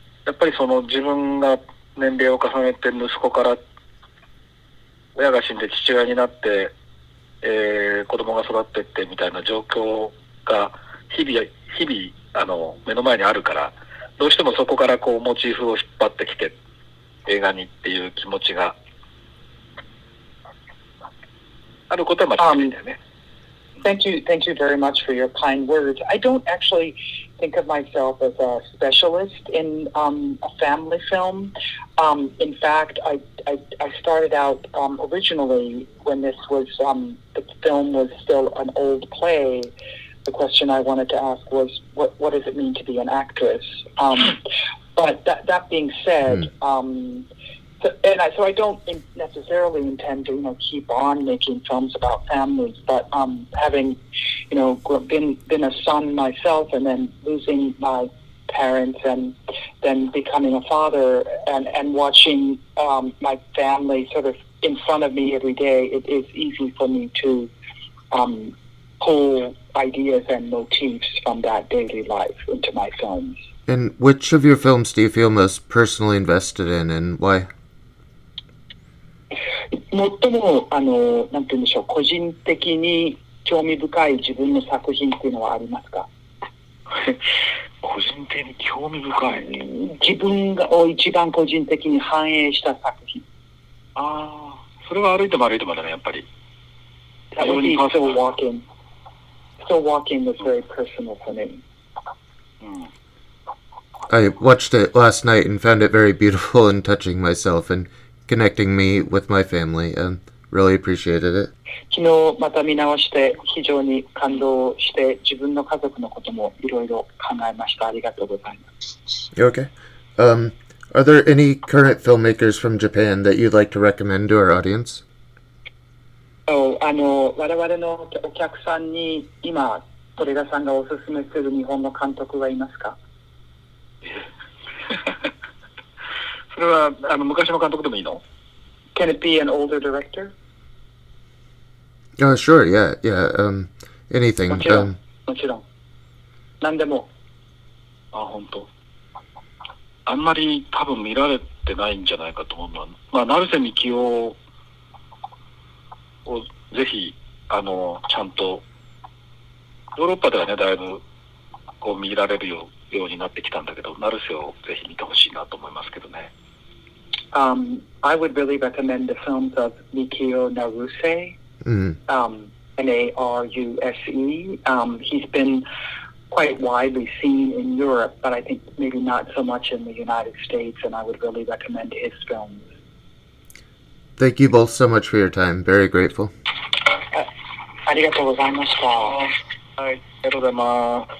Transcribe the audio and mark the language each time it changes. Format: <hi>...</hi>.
<ja>っぱりその自分が年齢を重ねて息子から親が死んで父親になって、子供が育ってってみたいな状況が日々目の前にあるから、どうしてもそこからこうモチーフを引っ張ってきて映画にっていう気持ちがあることは間違いないんだよね。</ja> <en>Thank you very much for your kind words. I don't actually think of myself as a specialist in a family film. In fact, I started out originally when this was the film was still an old play. The question I wanted to ask was what does it mean to be an actress? But that being said, I don't necessarily intend to, you know, keep on making films about families, but having, you know, been a son myself and then losing my parents and then becoming a father and watching my family sort of in front of me every day, it is easy for me to pull ideas and motifs from that daily life into my films. And which of your films do you feel most personally invested in, and why?</en> <ja>最もなんて言うんでしょう、個人的に興味深い自分の作品っていうのはありますか？個人的に興味深い、自分を一番個人的に反映した作品。ああ、それは歩いても歩いてもだね、やっぱり。</ja> <en>That would be Still Walking. Still Walking was very personal for me. I watched it last night and found it very beautiful and touching myself and connecting me with my family. And really appreciated it.</en> <ja>昨日また見直して非常に感動して自分の家族のこともいろいろ考えました。ありがとうございます。</ja> <en>You okay? Are there any current filmmakers from Japan that you'd like to recommend to our audience?</en> <ja>Oh, 我々のお客さんに今トレダさんがおすすめする日本の監督はいますか？それはあの昔の監督でもいいの？</ja> <en>Can it be an older director? Oh, sure, yeah, yeah, anything.</en> <ja>もちろん、何でも。あ、本当。あんまり多分見られてないんじゃないかと思うのは、まあ、成瀬みきおをぜひ、ちゃんと、ヨーロッパではね、だいぶこう見られるようになってきたんだけど、成瀬をぜひ見てほしいなと思いますけどね。</ja> <en>I would really recommend the films of Mikio Naruse,、N-A-R-U-S-E.、he's been quite widely seen in Europe, but I think maybe not so much in the United States, and I would really recommend his films. Thank you both so much for your time. Very grateful.</en> <ja>ありがとうございました。はい、ありがとうございます。</ja>